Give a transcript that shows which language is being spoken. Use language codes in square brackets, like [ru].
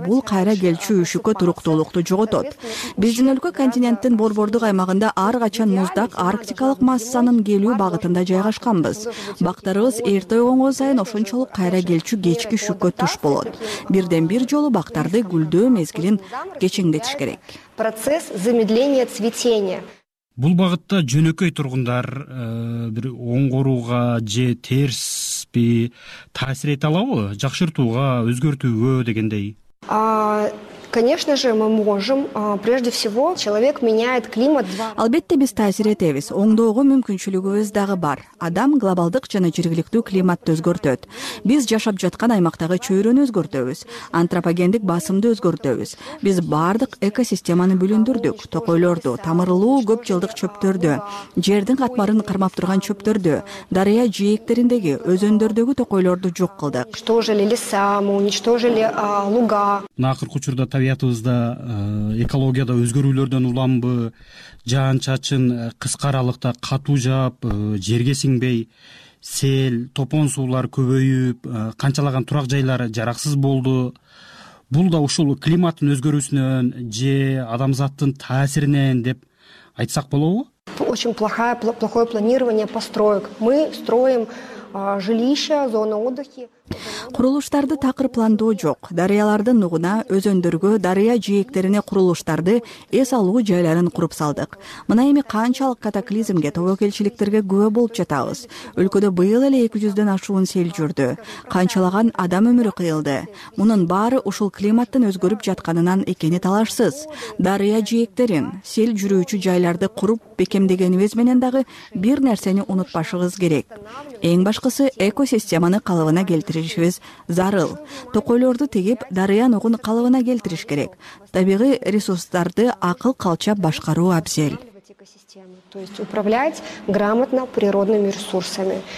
[ky] Бул кайра келчү үшүккө туруктуулукту жоготот. Биздин өлкө континенттин борбордук аймагында ар качан муздак арктикалык массанын келүү багытында жайгашканбыз. Бактарыбыз эрте ойгонгон сайын ошончолук кайра келчү кечки үшүккө туш болот. Бирден бир жолу бактарды гүлдөө мезгилин кечиңдетиш керек. [ru] Процесс замедления цветения. [ky] Бул багытта жөнөкөй тургундар бир оңгорууга же терсби таасир эте алабы? Жакшыртууга, өзгөртүүгө дегендей. [ru] Конечно же, мы можем. Прежде всего, человек меняет климат. [ky] Албетте биз таасир этебиз. Оңдоого мүмкүнчүлүгүбүз дагы бар. Адам глобалдык жана жергиликтүү климатты өзгөртөт. Биз жашап жаткан аймактагы чөйрөнү өзгөртөбүз. Антропогендик басымды өзгөртөбүз. Биз бардык экосистеманы бөлүндүрдүк. Токойлорду, тамырлуу көп жылдык чөптөрдү, жердин катмарын кармап турган чөптөрдү, дарыя жээктериндеги, өзөндөрдөгү токойлорду жок кылдык. [ru] Уничтожили леса, мы уничтожили луга. [ky] Табиятыбызда экологияда өзгөрүүлөрдөн уламбы, жаан чачын кыска аралыкта катуу жаап, жерге сиңбей, сел, топон суулар көбөйүп, канчалаган турак жайлар жараксыз болду. Бул да ушул климаттын өзгөрүүсүнөн же адамзаттын таасиринен деп айтсак болобу? [ru] Очень плохое планирование построек. Мы строим жилища, зона отдыха. [ky] Курулуштарды такыр пландоо жок. Дарыялардын нугуна, өзөндөргө, дарыя жээктерине курулуштарды, эс алуу жайларын куруп салдык. Мына эми канчалык катаклизмге, тобокелчиликтерге күбө болуп жатабыз. Өлкөдө быйыл эле 200-дөн ашуун сел жүрдү. Канчалаган адам өмүрү кыйылды. Мунун баары ушул климаттын өзгөрүп жатканынан экени талашсыз. Дарыя жээктерин, сел жүрүүчү жайларды куруп бекемдегенибиз менен дагы бир нерсени унутпашыбыз керек. Эң башкысы экосистеманы калыбына келтиришибиз зарыл. Токойлорду тегип, дарыя нугун калыбына келтириш керек. Табигый ресурстарды акыл калчап башкаруу абзел. [ru] То есть управлять грамотно природными ресурсами.